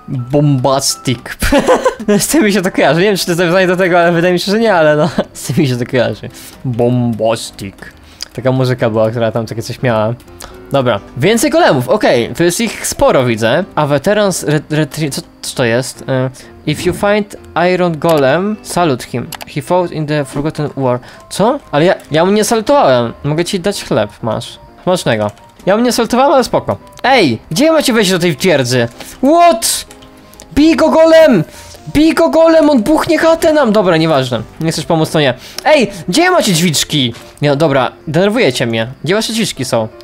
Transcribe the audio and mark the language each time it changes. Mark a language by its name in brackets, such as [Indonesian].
[Polish] Bombastik. Z tym mi się to kojarzy. Nie wiem, czy to zawiązanie do tego, ale wydaje mi się, że nie, ale no. Z tym mi się to kojarzy. Bombastik. Taka muzyka była, która tam takie coś miała. Dobra, więcej golemów, okej, okay. To jest ich sporo, widzę. A weterans co to jest? [English] If you find iron golem, salute him. He fought in the forgotten war. [Polish] Co? Ale ja mu nie salutowałem. Mogę ci dać chleb, masz. Smacznego. Ja mu nie salutowałem, ale spoko. Ej, gdzie macie wejść do tej twierdzy? What? Bij go golem! Bij go golem, on buchnie chatę nam! Dobra, nieważne. Nie chcesz pomóc, to nie. Ej, gdzie macie drzwiczki? Nie, no dobra, denerwujecie mnie. Gdzie wasze drzwiczki są?